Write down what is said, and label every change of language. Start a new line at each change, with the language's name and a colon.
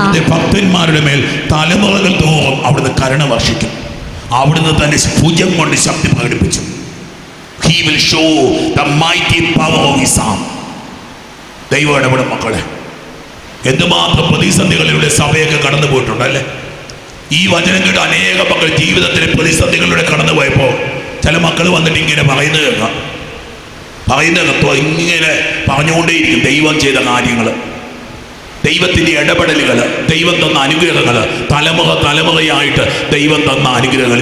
Malayalam: ഭക്തന്മാരുടെ മേൽ തലമുറകൾ തോറും അവിടുന്ന് കരുണ വർഷിക്കും. അവിടുന്ന് തന്നെ ഭുജം കൊണ്ട് ശക്തി പ്രകടിപ്പിച്ചു.
English: He will show the mighty power of his arm.
Malayalam: ദൈവം ഇടപെടും മക്കളെ. എന്തുമാത്രം പ്രതിസന്ധികളിലൂടെ സഭയൊക്കെ കടന്നു പോയിട്ടുണ്ട് അല്ലെ? ഈ വചനം കേട്ട് അനേക മക്കൾ ജീവിതത്തിലെ പ്രതിസന്ധികളിലൂടെ കടന്നു പോയപ്പോ ചില മക്കൾ വന്നിട്ട് ഇങ്ങനെ പറയുന്നത് കേൾക്കാം, പറയുന്നത് കേട്ടോ, ഇങ്ങനെ പറഞ്ഞുകൊണ്ടേയിരിക്കും. ദൈവം ചെയ്ത കാര്യങ്ങൾ, ദൈവത്തിന്റെ ഇടപെടലുകൾ, ദൈവം തന്ന അനുഗ്രഹങ്ങൾ, തലമുറ തലമുറയായിട്ട് ദൈവം തന്ന അനുഗ്രഹങ്ങൾ.